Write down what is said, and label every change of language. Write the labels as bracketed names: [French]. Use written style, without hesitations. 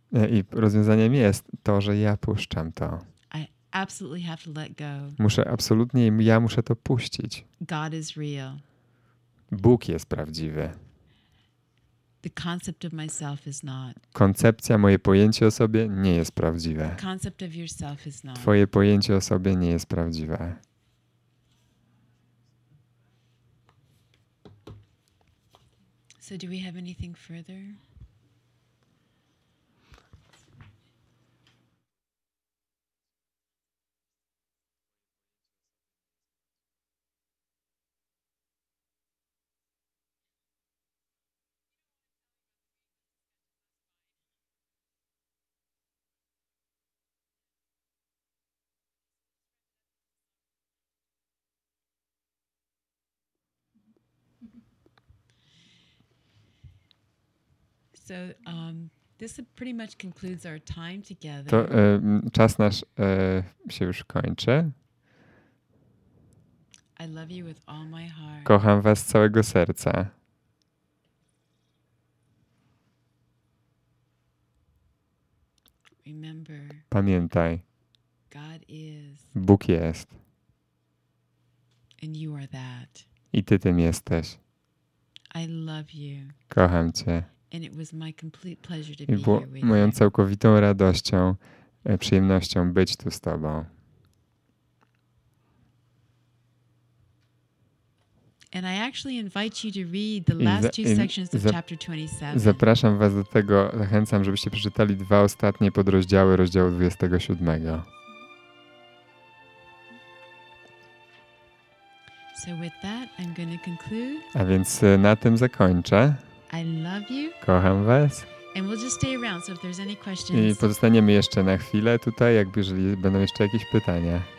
[Polish] I rozwiązaniem jest to, że ja puszczam to. [English] I absolutely have to let go. [Polish] Muszę absolutnie, ja muszę to puścić. [English] God is real. [Polish] Bóg jest prawdziwy. [English] The concept of myself is not. [Polish] Koncepcja, moje pojęcie o sobie nie jest prawdziwe. [English] The concept of yourself is not. [Polish] Twoje pojęcie o sobie nie jest prawdziwe. [English] So do we have anything further? So this pretty much concludes our time together. [Polish] To czas nasz się już kończy. [English] I love you with all my heart. [Polish] Kocham was z całego serca. [English] Remember. [Polish] Pamiętaj. [English] God is. [Polish] Bóg jest. [English] And you are that. [Polish] I ty tym jesteś. [English] I love you. [Polish] Kocham cię. [English] And it was my complete pleasure to [Polish] I było moją całkowitą radością, przyjemnością być tu z tobą. [English] And I actually invite you to read the last two sections of chapter 27. [Polish] Zapraszam was do tego, zachęcam, żebyście przeczytali dwa ostatnie podrozdziały rozdziału 27. [English] So with that, I'm going to conclude. [Polish] A więc na tym zakończę. [English] I love you. [Polish] Kocham was. [English] And we'll just stay around, so if there's any questions. [Polish] I pozostaniemy jeszcze na chwilę tutaj, jakby jeżeli będą jeszcze jakieś pytania.